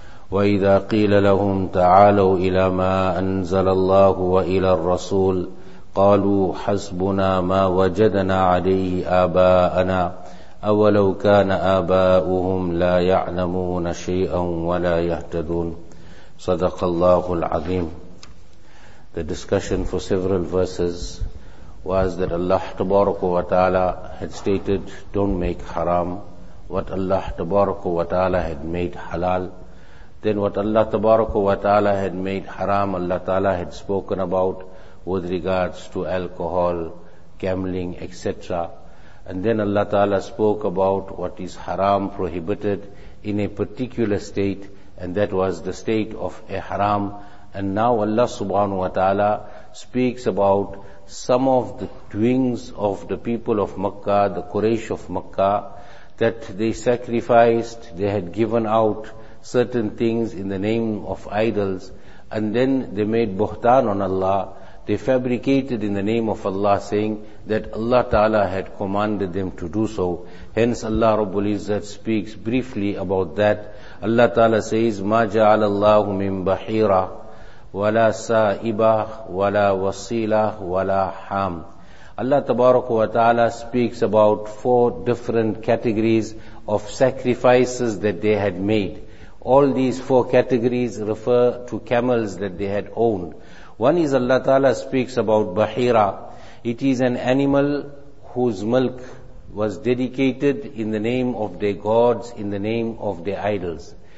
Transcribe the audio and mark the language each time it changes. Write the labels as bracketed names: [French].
[Arabic] وإذا قيل لهم تعالوا إلى ما أنزل الله وإلى الرسول قالوا حسبنا ما وجدنا عليه آباءنا أولو كان آباؤهم لا يعلمون شيئا ولا يهتدون صدق الله العظيم. [English] The discussion for several verses was that Allah تبارك وتعالى had stated, don't make haram what Allah تبارك وتعالى had made halal. Then what Allah تبارك وتعالى had made haram, Allah تعالى had spoken about with regards to alcohol, gambling, etc. And then Allah Ta'ala spoke about what is haram, prohibited in a particular state, and that was the state of ihram. And now Allah Subhanahu Wa Ta'ala speaks about some of the doings of the people of Makkah, the Quraysh of Makkah, that they sacrificed, they had given out certain things in the name of idols, and then they made buhtan on Allah. They fabricated in the name of Allah, saying that Allah Ta'ala had commanded them to do so. Hence Allah Rabbul Izzat speaks briefly about that. Allah Ta'ala says, [Arabic] مَا جَعَلَ اللَّهُ مِنْ بَحِيرَ وَلَا سَائِبَ وَلَا وَصِيلَ وَلَا حَامٍ. [English] Allah Tabaraka wa Ta'ala speaks about four different categories of sacrifices that they had made. All these four categories refer to camels that they had owned. One is Allah Ta'ala speaks about Bahira. It is an animal whose milk was dedicated in the name of their gods, in the name of their idols.